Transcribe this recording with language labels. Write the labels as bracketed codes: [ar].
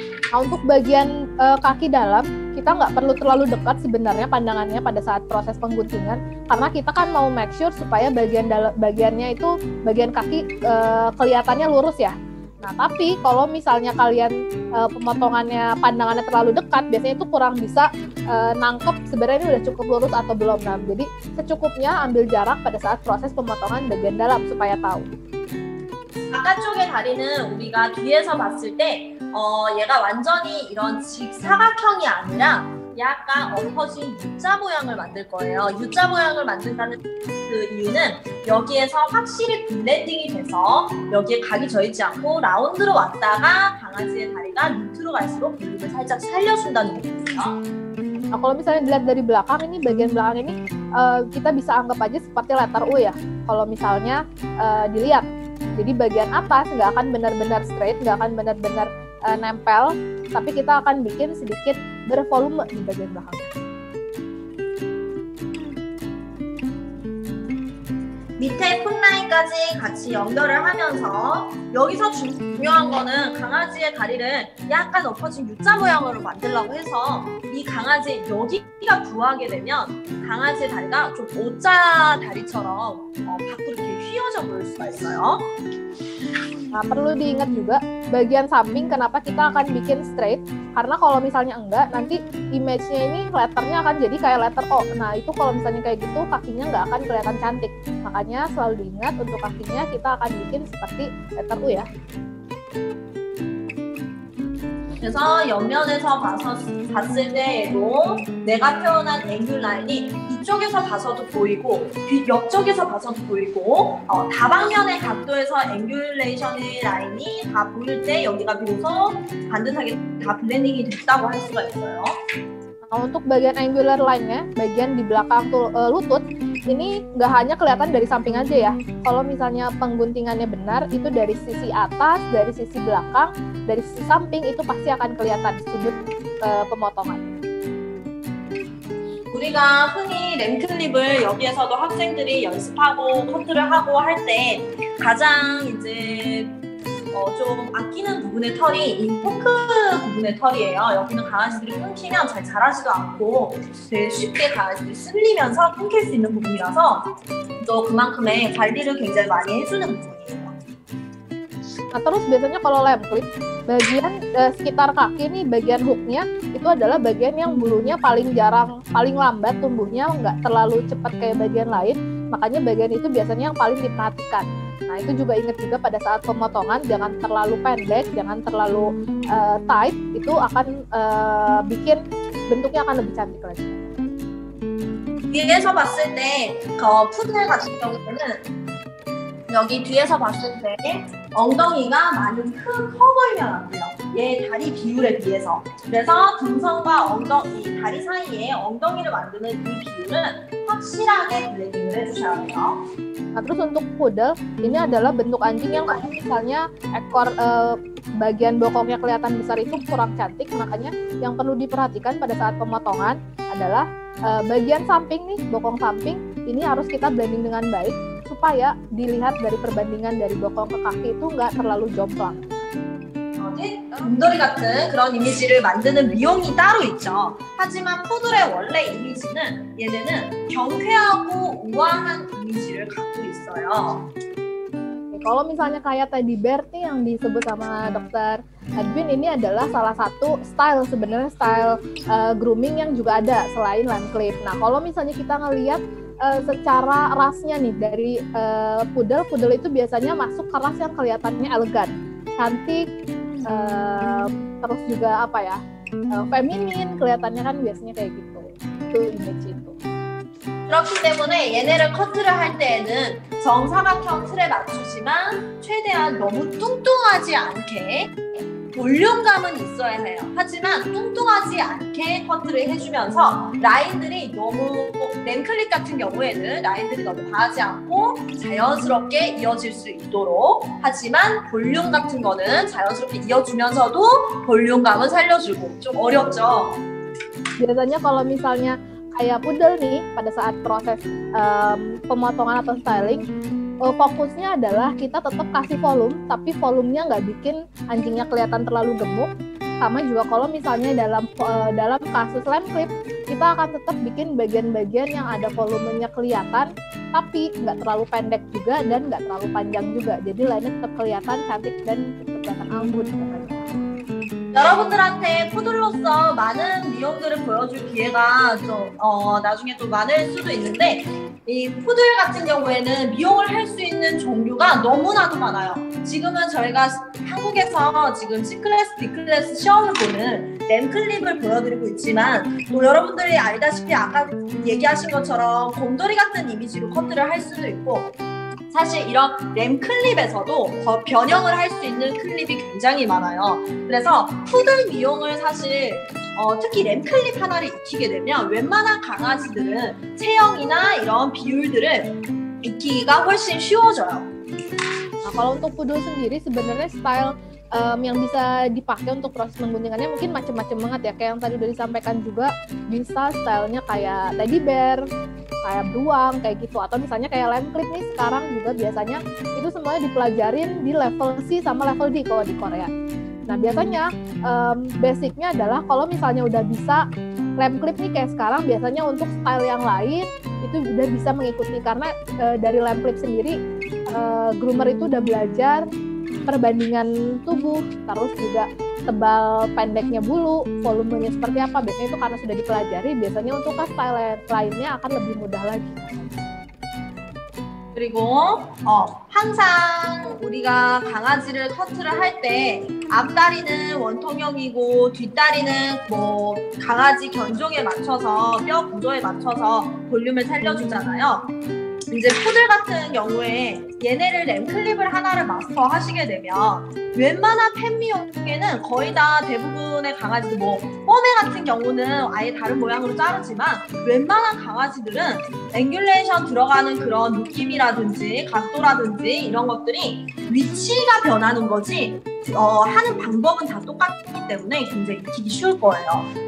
[id] Nah, untuk bagian kaki dalam, kita nggak perlu terlalu dekat sebenarnya pandangannya pada saat proses pengguntingan, karena kita kan mau [en] make sure [id] supaya bagian bagiannya itu, bagian kaki kelihatannya lurus ya. Nah, tapi kalau misalnya kalian pemotongannya, pandangannya terlalu dekat, biasanya itu kurang bisa nangkep sebenarnya ini udah cukup lurus atau belum. Nah, jadi secukupnya ambil jarak pada saat proses pemotongan bagian dalam supaya tahu. [ko] 바깥쪽의 다리는 우리가 뒤에서 봤을 때 얘가 완전히 이런 직사각형이 아니라 약간 엉커진 U자 모양을 만들 거예요. U자 모양을 만든다는 그 이유는 여기에서 확실히 블렌딩이 돼서 여기에 각이 져 있지 않고 라운드로 왔다가 강아지의 다리가 루트로 갈수록 볼륨을 살짝 살려준다는 거예요. [id] Nah, kalau misalnya dilihat dari belakang, ini bagian belakang ini kita bisa anggap aja seperti letter U ya, kalau misalnya dilihat. Jadi bagian atas nggak akan benar-benar straight, nggak akan benar-benar nempel, tapi kita akan bikin sedikit bervolume di bagian belakang. [ko] Bite footline까지 같이 연결을 하면서 여기서 중요한 거는 강아지의 다리를 약간 엎어진 U자 모양으로 만들려고 해서 이 강아지 여기가 부하게 되면 강아지의 다리가 좀 O자 다리처럼 밖으로 이렇게 휘어져 보일 수가 있어요. [id] Nah, perlu diingat juga bagian samping kenapa kita akan bikin straight, karena kalau misalnya enggak, nanti image-nya ini letternya akan jadi kayak letter O. Nah, itu kalau misalnya kayak gitu kakinya enggak akan kelihatan cantik. Makanya selalu diingat untuk kakinya kita akan bikin seperti letter U ya. [ko] 그래서 옆면에서 봤을 때에도 내가 표현한 앵글라인이 이쪽에서 봐서도 보이고 옆쪽에서 봐서도 보이고 다방면의 각도에서 앵귤레이션의 라인이 다 보일 때 여기가 비로소 반듯하게 다 블렌딩이 됐다고 할 수가 있어요. [id] untuk bagian angular line-nya, bagian di belakang lutut, ini nggak hanya kelihatan dari samping aja ya. Kalau misalnya pengguntingannya benar, itu dari sisi atas, dari sisi belakang, dari sisi samping, itu pasti akan kelihatan sudut pemotongan. [ko] 우리가 흔히 램클립을 여기에서도 학생들이 연습하고 컨트롤 하고 할 때 가장 이제 좀 아끼는 부분의 털이 이 포크 부분의 털이에요. 여기는 강아지들이 끊기면 잘 자라지도 않고 되게 쉽게 강아지들이 쓸리면서 끊길 수 있는 부분이라서 또 그만큼의 관리를 굉장히 많이 해주는 부분이에요. [id] Nah, terus biasanya kalau lem clip, bagian sekitar kaki nih, bagian hooknya, itu adalah bagian yang bulunya paling jarang, paling lambat tumbuhnya, nggak terlalu cepat kayak bagian lain. Makanya bagian itu biasanya yang paling diperhatikan. Nah, itu juga ingat juga pada saat pemotongan, jangan terlalu pendek, jangan terlalu tight, itu akan bikin bentuknya akan lebih cantik lagi. [ko] 뒤에서 봤을 때, 그 푸들 같은 경우에는 여기 뒤에서 봤을 때 엉덩이가 많이 커 보이면 안 돼요. 얘 다리 비율에 비해서. 그래서 등선과 엉덩이, 다리 사이에 엉덩이를 만드는 이 비율은 확실하게 블렌딩을 해주셔야 돼요. [id] Nah, terus untuk poodle, ini adalah bentuk anjing yang misalnya ekor bagian bokongnya kelihatan besar itu kurang cantik. Makanya yang perlu diperhatikan pada saat pemotongan adalah bagian samping nih, bokong samping. Ini harus kita blending dengan baik supaya dilihat dari perbandingan dari bokong ke kaki itu nggak terlalu jomplang. [ko] 곰돌이 같은 그런 이미지를 만드는 미용이 따로 있죠. 하지만 푸들의 원래 이미지는 얘네는 경쾌하고 우아한 이미지를 갖고 있어요. [id] Kalau misalnya kayak teddy bear nih yang disebut sama dokter Edwin, ini adalah salah satu style, sebenarnya style grooming yang juga ada selain lem clip. Nah, kalau misalnya kita ngelihat secara rasnya nih dari poodle itu biasanya masuk ke ras yang kelihatannya elegan, cantik, terus juga apa ya, feminin, kelihatannya kan biasanya kayak gitu. Itu image itu. [ko] 그렇기 때문에 얘네를 커트를 할 때에는 정사각형 틀에 맞추지만 최대한 너무 뚱뚱하지 않게 볼륨감은 있어야 해요. 하지만 뚱뚱하지 않게 커트를 해주면서 라인들이 너무 램클립 같은 경우에는 라인들이 너무 과하지 않고 자연스럽게 이어질 수 있도록 하지만 볼륨 같은 거는 자연스럽게 이어주면서도 볼륨감은 살려주고 좀 어렵죠. 예전에 [id] kalau misalnya kayak poodle nih, pada saat proses pemotongan atau styling, fokusnya adalah kita tetap kasih volume, tapi volumenya nggak bikin anjingnya kelihatan terlalu gemuk. Sama juga kalau misalnya dalam kasus lem clip, kita akan tetap bikin bagian-bagian yang ada volumenya kelihatan, tapi nggak terlalu pendek juga dan nggak terlalu panjang juga. Jadi lainnya tetap kelihatan cantik dan kelihatan anggun. [ko] 여러분들한테 푸들로서 많은 미용들을 보여줄 기회가 좀 나중에 또 많을 수도 있는데 이 푸들 같은 경우에는 미용을 할 수 있는 종류가 너무나도 많아요. 지금은 저희가 한국에서 지금 C클래스, D클래스 시험을 보는 램클립을 보여드리고 있지만 또 여러분들이 알다시피 아까 얘기하신 것처럼 곰돌이 같은 이미지로 커트를 할 수도 있고 사실 이런 램 클립에서도 더 변형을 할 수 있는 클립이 굉장히 많아요. 그래서 푸들 미용을 사실 특히 램 클립 하나를 익히게 되면 웬만한 강아지들은 체형이나 이런 비율들을 익히기가 훨씬 쉬워져요. [id] Nah, kalau untuk poodle sendiri sebenarnya style yang bisa dipakai untuk proses pengguntingannya mungkin macam-macam banget ya. Kayak yang tadi udah disampaikan juga, bisa stylenya kayak teddy bear, kayak beruang, kayak gitu. Atau misalnya kayak lem clip nih sekarang juga biasanya itu semuanya dipelajarin di level C sama level D kalau di Korea. Nah, biasanya basicnya adalah kalau misalnya udah bisa lem clip nih kayak sekarang, biasanya untuk style yang lain itu udah bisa mengikuti. Karena dari lem clip sendiri, groomer itu udah belajar perbandingan tubuh, terus juga tebal pendeknya bulu, volumenya seperti apa. Biasanya itu karena sudah dipelajari, biasanya untuk style lainnya akan lebih mudah lagi. [ko] 그리고 항상 우리가 강아지를 커트를 할 때 앞다리는 원통형이고 뒷다리는 뭐 강아지 견종에 맞춰서 뼈 구조에 맞춰서 볼륨을 살려주잖아요. 이제 푸들 같은 경우에 얘네를 램클립을 하나를 마스터 하시게 되면 웬만한 펜미용에는 거의 다 대부분의 강아지들 뭐 뽀메 같은 경우는 아예 다른 모양으로 자르지만 웬만한 강아지들은 앵귤레이션 들어가는 그런 느낌이라든지 각도라든지 이런 것들이 위치가 변하는 거지 하는 방법은 다 똑같기 때문에 굉장히 익히기 쉬울 거예요.